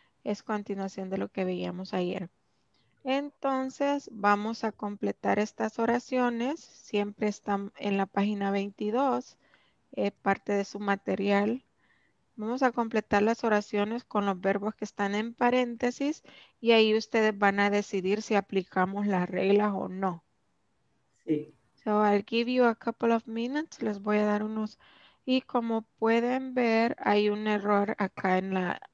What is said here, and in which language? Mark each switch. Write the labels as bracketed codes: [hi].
[es] Es continuación de lo que veíamos ayer. Entonces, vamos a completar estas oraciones. Siempre están en la página 22, parte de su material. Vamos a completar las oraciones con los verbos que están en paréntesis y ahí ustedes van a decidir si aplicamos las reglas o no. Sí. [en] So I'll give you a couple of minutes. [es] Les voy a dar unos. Y como pueden ver, hay un error acá en la.